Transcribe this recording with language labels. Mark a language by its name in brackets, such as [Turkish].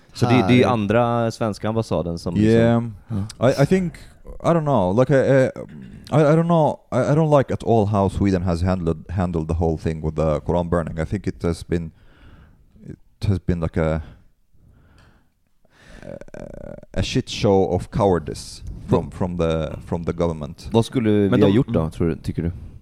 [Swedish] Så det är ju andra svenska ambassaden som [English] I think, I don't know. Like I don't know. I don't like at all how Sweden has handled the whole thing with the Quran burning. I think it has been like a shit show of cowardice from the government. [Swedish] Vad skulle vi ha gjort då, tycker du?